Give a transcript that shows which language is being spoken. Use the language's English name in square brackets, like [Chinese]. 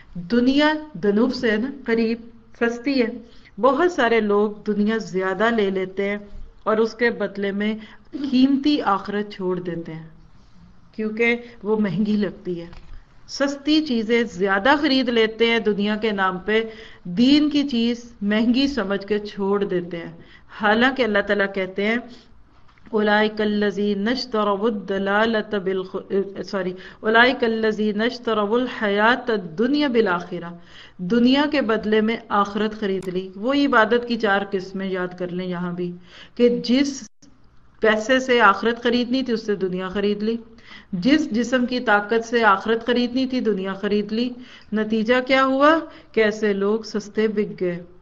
[Urdu] دنیا دنوب سے ہے نا قریب, سستی ہے. بہت سارے لوگ دنیا زیادہ لے لیتے ہیں اور اس کے بدلے میں قیمتی آخرت چھوڑ دیتے ہیں کیونکہ وہ مہنگی لگتی ہے. سستی چیزیں زیادہ خرید لیتے ہیں دنیا کے نام پہ, دین کی چیز مہنگی سمجھ کے چھوڑ دیتے ہیں. حالانکہ اللہ تعالیٰ کہتے ہیں [Arabic] أولئك الذين اشتروا الضلالة سوري أولئك الذين اشتروا الحياة الدنيا بالآخرة، [Urdu] دنیا کے بدلے میں آخرت خرید لی. وہ عبادت کی چار قسمیں یاد کر لیں یہاں بھی، کہ جس پیسے سے آخرت خریدنی تھی اس سے دنیا خرید لی، جس جسم کی طاقت سے آخرت خریدنی تھی دنیا خرید لی. نتیجہ کیا ہوا؟ کیسے لوگ سستے بک گئے.